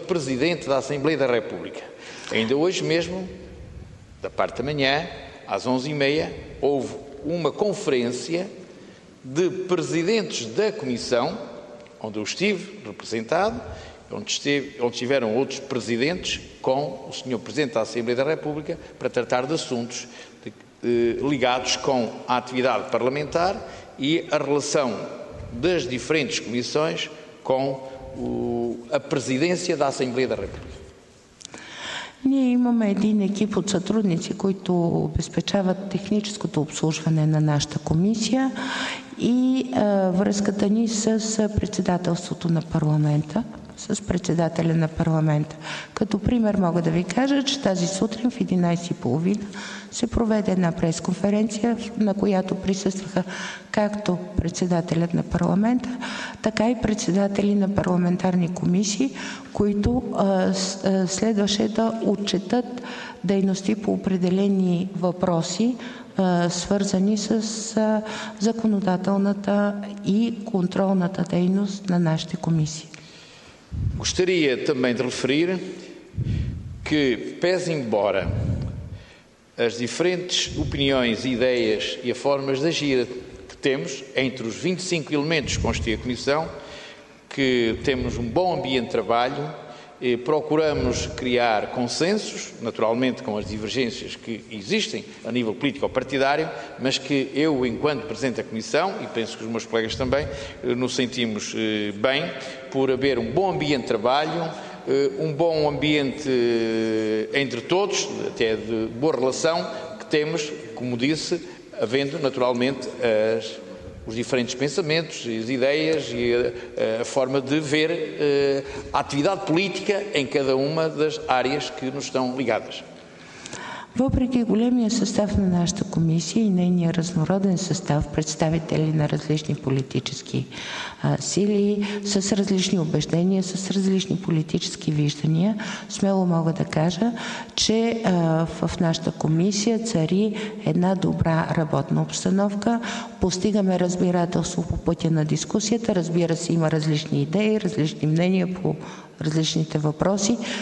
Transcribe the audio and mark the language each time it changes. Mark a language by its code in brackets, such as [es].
[pt] Presidente da Assembleia da República. Ainda hoje mesmo, da parte da manhã, às 11h30, houve uma conferência de presidentes da comissão, onde eu estive representado, onde estiveram outros presidentes com o Sr. Presidente da Assembleia da República para tratar de assuntos ligados com a atividade parlamentar e a relação das diferentes comissões com a Presidência da Assembleia da República. [bg] Ние имаме един екип от сътрудници, които обезпечават техническото обслужване на нашата комисия и връзката ни с председателството на парламента, с председателя на парламента. Като пример мога да ви кажа, че тази сутрин в 11:30 се проведе една пресконференция, на която присъстваха както председателят на парламента, така и председатели на парламентарни комисии, които следваше да отчетат дейности по определени въпроси, свързани с законодателната и контролната дейност на нашите комисии. [pt] Gostaria também de referir que, pese embora as diferentes opiniões, ideias e as formas de agir que temos entre os 25 elementos que constituem a Comissão, que temos um bom ambiente de trabalho, e procuramos criar consensos, naturalmente com as divergências que existem a nível político ou partidário, mas que eu, enquanto Presidente da Comissão, e penso que os meus colegas também, nos sentimos bem por haver um bom ambiente de trabalho, um bom ambiente entre todos, até de boa relação, que temos, como disse, havendo naturalmente os diferentes pensamentos, as ideias e a forma de ver a atividade política em cada uma das áreas que nos estão ligadas. [bg] Въпреки големия състав на нашата комисия и нейния разнороден състав, представители на различни политически сили, с различни убеждения, с различни политически виждания, смело мога да кажа, че в нашата комисия цари една добра работна обстановка, постигаме разбирателство по пътя на дискусията, разбира се, има различни идеи, различни мнения по различните въпроси.